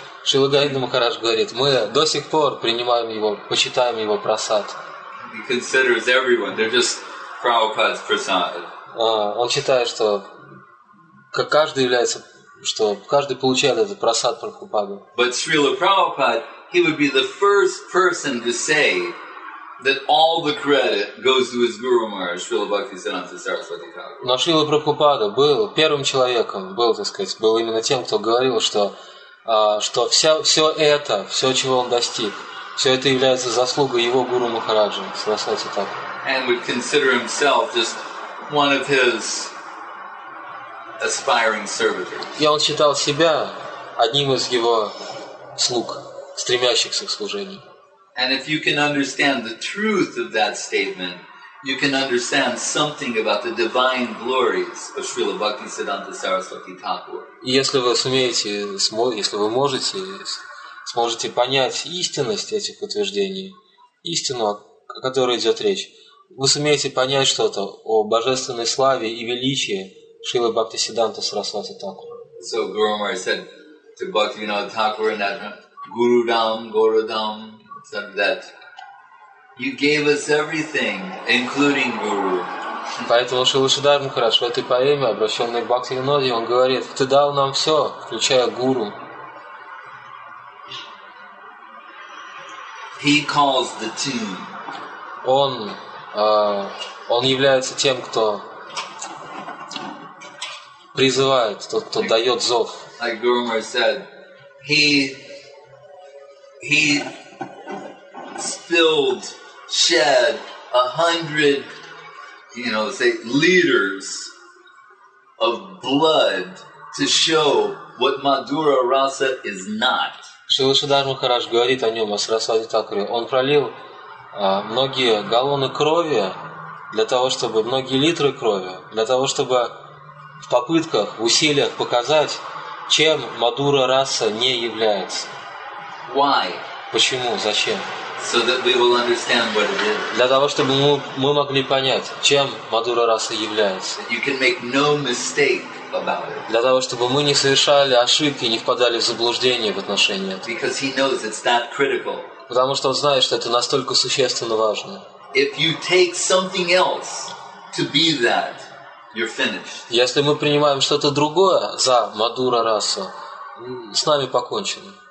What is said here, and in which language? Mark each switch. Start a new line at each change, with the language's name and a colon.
Russian: Шрила Говинда Махарадж говорит, мы до сих пор принимаем его, почитаем его прасад.
English: He considers everyone, they're just Prabhupada's prasad.
Russian: Он считает, что как каждый является, что каждый получает этот прасад Прабхупады.
English: But Srila Prabhupada, he would be the first person to say that all the credit goes to his Guru Maharaj, Srila Bhaktisiddhanta Saraswati Thakur.
Russian: Но Шрила Прабхупада был первым человеком, был, так сказать, был именно тем, кто говорил, что, что вся, все это, все, чего он достиг, все это является заслугой его Гуру Махараджа, Сарасвати Такур.
English: And would consider himself just one of his aspiring servitors.
Russian: И он считал себя одним из его слуг, стремящихся к служению.
English: And if you can understand the truth of that statement, you can understand something about the divine glories of Srila Bhaktisiddhanta Saraswati Thakur.
Russian: И если вы сумеете, если вы можете, сможете понять истинность этих утверждений, истину, о которой идет речь, вы сумеете понять что-то о божественной славе и величии Шрилы Бхактисиддханта Сарасвати Такура.
English: So Guru Maharaj said to Bhaktivinoda Thakura in that Gurudam, Gorudam, said that you gave us everything, including Guru.
Russian: Поэтому Шрила Шридхар Махарадж в этой поэме, обращенной к Бхактивиноде, он говорит, ты дал нам все, включая Гуру.
English: He calls the tune.
Russian: Он является тем, кто призывает, тот, кто дает зов.
English: Like Guru Maharaj said, he spilled, shed 100, you know, say liters of blood to show what Madhura Rasa is not.
Russian: Шрила Шридхар Махарадж говорит о нем, о Сарасвати Такуре. Он пролил многие галлоны крови для того, чтобы многие литры крови для того, чтобы в попытках, в усилиях показать, чем Мадура раса не является.
English: Why?
Russian: Почему? Зачем?
English: So that we will understand what it is.
Russian: Для того, чтобы мы могли понять, чем Мадура раса является.
English: You can make no mistake about it.
Russian: Для того, чтобы мы не совершали ошибки, не впадали в заблуждение в отношении этого.
English: Because he knows it's that critical.
Russian: Потому что он знает, что это настолько существенно важно.
English: If you take something else to be that, you're finished.
Russian: Если мы принимаем что-то другое за Мадура расу, с нами покончено.